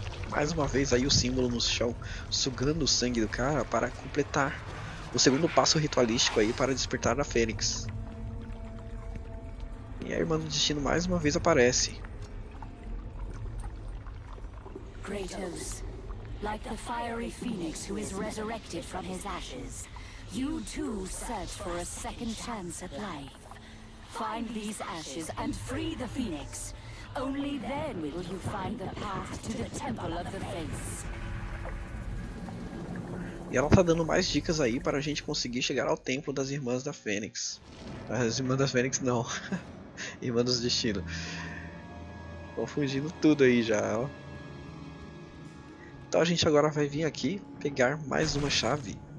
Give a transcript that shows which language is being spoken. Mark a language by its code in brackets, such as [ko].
[pt] Mais uma vez aí o símbolo no chão, sugando o sangue do cara para completar o segundo passo ritualístico aí para despertar a Fênix. E a Irmã do Destino mais uma vez aparece. [en] Kratos, like the fiery phoenix who is resurrected from his ashes, you too search for a second chance at life. Find these ashes and free the phoenix. Only then will you find the path to the Temple of the Fates. [pt] E ela tá dando mais dicas aí para a gente conseguir chegar ao Templo das Irmãs da Fênix. As Irmãs da Fênix não. Irmãs do Destino. Confundindo tudo aí já, ó. Então a gente agora vai vir aqui pegar mais uma chave.